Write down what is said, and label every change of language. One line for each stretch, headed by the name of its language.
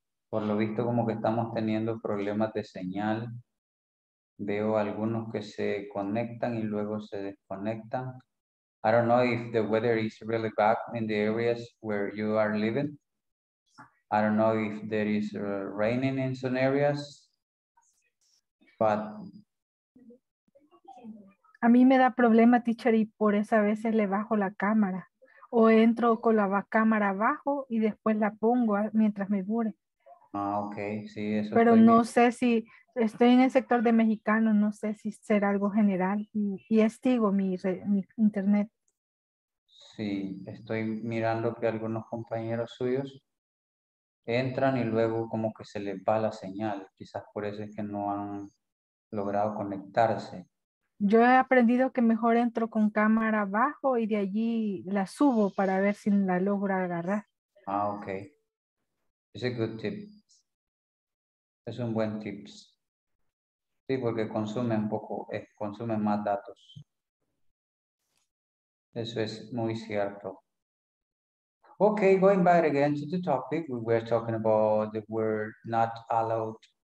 Spanish: Por lo visto, como que estamos teniendo problemas de señal. Veo algunos que se conectan y luego se desconectan.
English: I don't know if the weather is really bad in the areas where you are living. I don't know if there is raining in some areas. But
Spanish: a mí me da problema, teacher, y por eso a veces le bajo la cámara. O entro con la cámara abajo y después la pongo mientras me dure. Ok, sí, eso. Pero no sé si estoy en el sector de mexicano, no sé si será algo general. Y estigo mi internet. Sí, estoy mirando que algunos compañeros suyos entran y luego como que se les va la señal. Quizás por eso es que no han logrado conectarse. Yo he aprendido que mejor entro con cámara abajo y de allí la subo para ver si la logro agarrar.
English: Ah, ok. It's a good tip.
Spanish: Es un buen tip. Sí, porque consume un poco, consume más datos. Eso es muy cierto.
English: Okay, going back again to the topic, we were talking about the word not allowed.